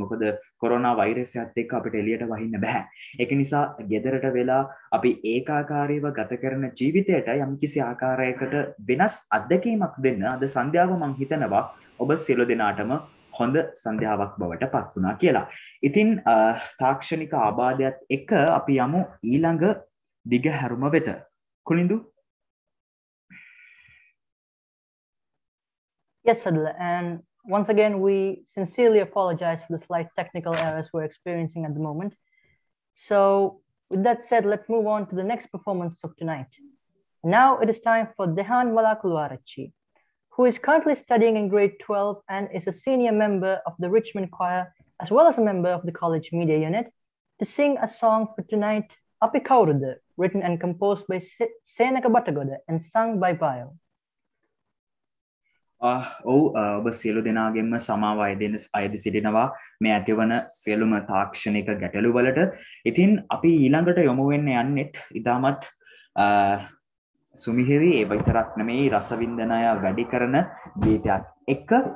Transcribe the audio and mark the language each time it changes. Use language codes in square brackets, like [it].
[si] මොකද කොරෝනා වෛරසයත් එක්ක අපිට එළියට වහින්න බෑ. ඒක නිසා ගෙදරට වෙලා අපි ඒකාකාරීව ගත කරන ජීවිතයට යම්කිසි ආකාරයකට වෙනස් අත්දැකීමක් දෙන්න අද සන්ධ්‍යාව මං හිතනවා ඔබ සියලු දෙනාටම හොඳ සන්ධ්‍යාවක් බවට පත් වුණා කියලා. ඉතින් තාක්ෂණික ආබාධයත් එක්ක අපි යමු ඊළඟ දිගහැරුම වෙත. කුනිඳු. [en] Yes, Sadhula, and once again, we sincerely apologize for the slight technical errors we're experiencing at the moment. So with that said, let's move on to the next performance of tonight. Now it is time for Dehan Valakuluarachchi, who is currently studying in grade 12 and is a senior member of the Richmond Choir, as well as a member of the College Media Unit, to sing a song for tonight, Apikaurudu, written and composed by Senaka Batagoda and sung by Vio. [si] ඔබ සියලු දෙනාගෙන්ම සමාව අයදි සිටිනවා මේ ඇතිවන සියලුම තාක්ෂණික ගැටලු වලට. ඉතින් අපි ඊළඟට යොමු වෙන්න යන්නෙත් ඉතාමත් සුමිහිරි, ඒ විතරක් නෙමෙයි රසවින්දනය වැඩි කරන ගීතයක් එක්ක.